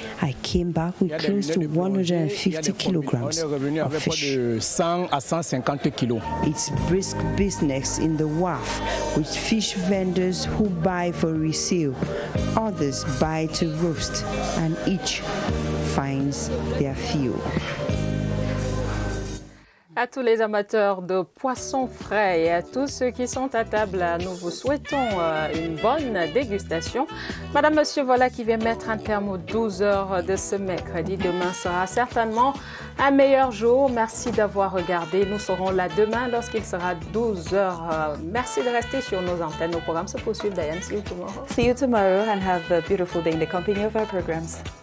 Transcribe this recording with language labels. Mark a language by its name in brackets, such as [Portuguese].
[English] I came back with close to 150 kilograms of fish. It's brisk business in the wharf with fish vendors who buy for resale. Others buy to roast and each finds their fuel. [French] À tous les amateurs de poissons frais et à tous ceux qui sont à table, nous vous souhaitons une bonne dégustation. Madame, monsieur, voilà qui vient mettre un terme aux 12 heures de ce mercredi. Demain sera certainement un meilleur jour. Merci d'avoir regardé. Nous serons là demain lorsqu'il sera 12 heures. Merci de rester sur nos antennes. Nos programmes se poursuivent. [English] Diane, see you tomorrow. See you tomorrow and have a beautiful day in the company of our programs.